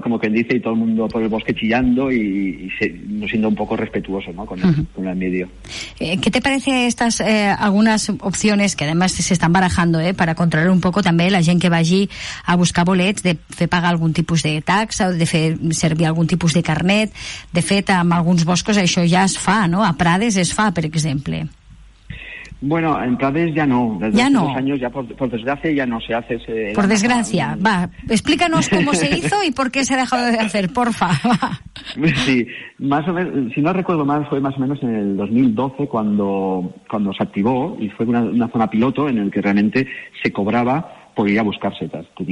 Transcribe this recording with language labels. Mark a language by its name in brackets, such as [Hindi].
[Spanish] Como quien dice, y todo el mundo por el bosque chillando y siendo un poco respetuoso, ¿no? Con el medio. ¿Qué te parece estas algunas opciones que además se están barajando, para controlar un poco [Catalan] també la gent que vagi a buscar bolets, de fer pagar algun tipus de taxa, de fer servir algun tipus de carnet? De fet, en alguns boscos això ja es fa, no? A Prades es fa, per exemple. [Spanish] Bueno, en Prades ya no. Desde ya no. Hace dos años ya, por desgracia, ya no se hace ese... Por desgracia. Va, explícanos cómo se hizo y por qué se ha dejado de hacer, porfa. Sí, más o menos, si no recuerdo mal, fue más o menos en el 2012 cuando se activó y fue una zona piloto en el que realmente se cobraba por ir a buscar setas.